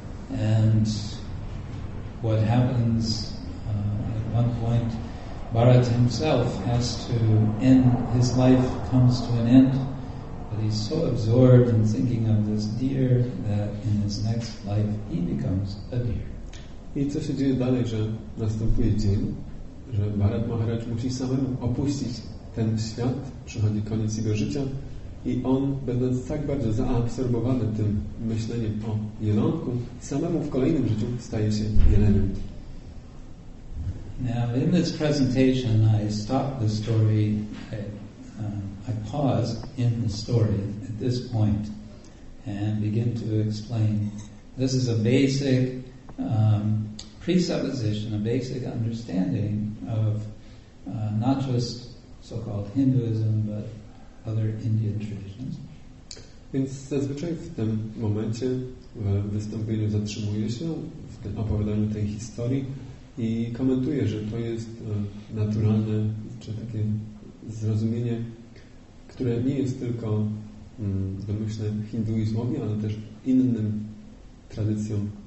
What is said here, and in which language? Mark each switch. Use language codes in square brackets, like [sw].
[en] And what happens at one point, Bharat himself has to end, his life comes to an end. But he's so absorbed in thinking of this deer that in his next life he becomes a deer. [pl] I co się dzieje dalej, że następuje dzień, że Bharat Maharaj musi samemu opuścić ten świat, przychodzi koniec jego życia i on, będąc tak bardzo zaabsorbowany tym myśleniem o jelonku, samemu w kolejnym życiu staje się jeleniem. [en] Now in this presentation I stop the story, I pause in the story at this point and begin to explain. This is a basic presupposition, a basic understanding of not just so-called Hinduism, but other Indian traditions. [pl] Więc zazwyczaj w tym momencie w wystąpieniu zatrzymuję się w tym opowiadaniu tej historii i komentuję, że to jest naturalne, czy takie zrozumienie, które nie jest tylko domyślne hinduizmowi, ale też innym tradycjom